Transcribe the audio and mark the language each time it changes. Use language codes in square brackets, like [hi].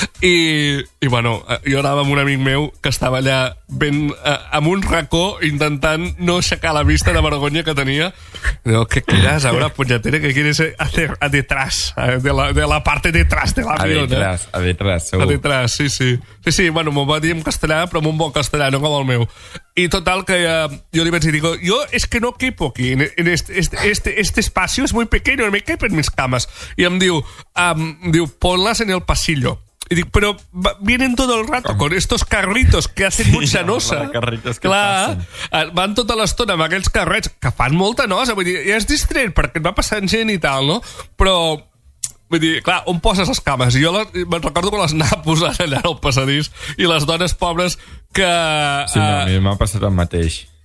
[ca] I bueno, jo anava amb un amic meu que estava allà ben amb un racó intentant no aixecar la vista de vergonya que tenia. [es] Diu, què quieres, ahora, puñetera, què quieres hacer a detrás? De la parte detrás de l'avión. A detrás, sí, sí. [ca] Sí, sí, bueno, m'ho va dir en castellà, però en un bon castellà, no com el meu. I total, que jo li vaig dir, jo és que no quepo aquí, [es] en este espacio es muy pequeño, me quepen mis cames. [ca] I em diu, [es] ponlas en el pasillo. I dic, però vienen todo el rato con estos carritos que hacen mucha nosa. [ca] Sí, carritos que passen. Van tota l'estona amb aquells carrets que fan molta nosa, vull dir, i es distret perquè et va passant gent i tal, no? Però... vull dir, clar, on poses les cames? I jo me'n recordo quan les anava posant allà al passadís i les dones pobres que... Sí, no, a mi m'ha passat el mateix.